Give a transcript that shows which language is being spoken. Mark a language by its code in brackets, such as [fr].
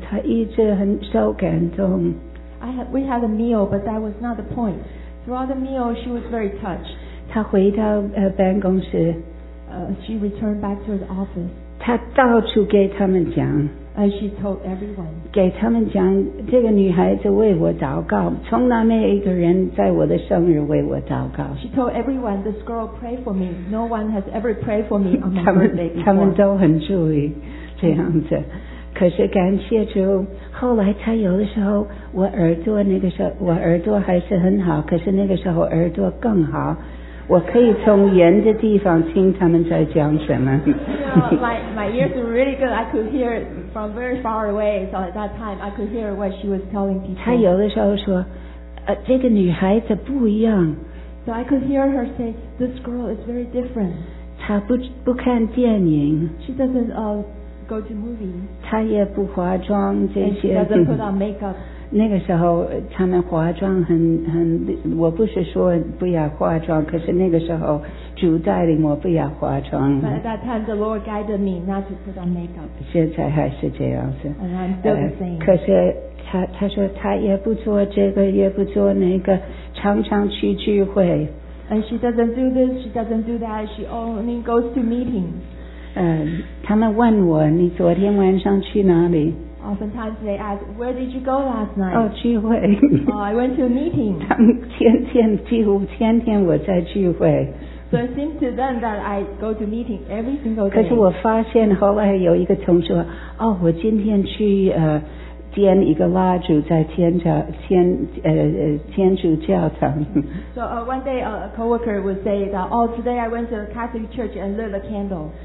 [zh] 我们吃饭，可是那个不是最重要的，她一直很受感动。 [en] We had a meal, but that was not the point. Throughout the meal, she was very touched. [zh] 她回到办公室, [en] she returned back to her office. [zh] 她到处给他们讲, [en] and she told everyone. [zh] 给他们讲, 这个女孩子为我祷告, 从来没有一个人在我的生日为我祷告。 [en] She told everyone, this girl prayed for me. No one has ever prayed for me on my birthday before. [zh] 他们都很注意这样子。可是感谢主, 后来他有的时候, 我耳朵那个时候, 我耳朵还是很好, 可是那个时候耳朵更好, 我可以从远的地方听他们在讲什么。 [en] my ears were really good. I could hear it from very far away. So at that time, I could hear what she was telling people. [zh] 他有的时候说, 这个女孩子不一样。 [en] So I could hear her say, this girl is very different. [zh] 她不看电影。 [en] She doesn't go to movies. [zh] 她也不化妆这些。 [en] And she doesn't put on makeup. [zh] 那个时候他们化妆很，我不是说不要化妆，可是那个时候主带领我不要化妆。 [en] But at that time the Lord guided me not to put on makeup. [zh] 现在还是这样子。 [en] And I'm still the same. [zh] 可是他说他也不做这个也不做那个，常常去聚会。 [en] And she doesn't do this, she doesn't do that, she only goes to meetings. [zh] 他们问我，你昨天晚上去哪里？ [en] Oftentimes they ask, where did you go last night? [zh] Oh, 聚会。 [en] Oh, I went to a meeting. [zh] 他们天天, 几乎天天我在聚会。 [en] So it seems to them that I go to meeting every single day. [zh] 可是我发现后来有一个同学，哦，我今天去煎一个蜡烛在天主教堂。 [en] So one day a coworker would say that, oh, today I went to the Catholic church and lit a candle.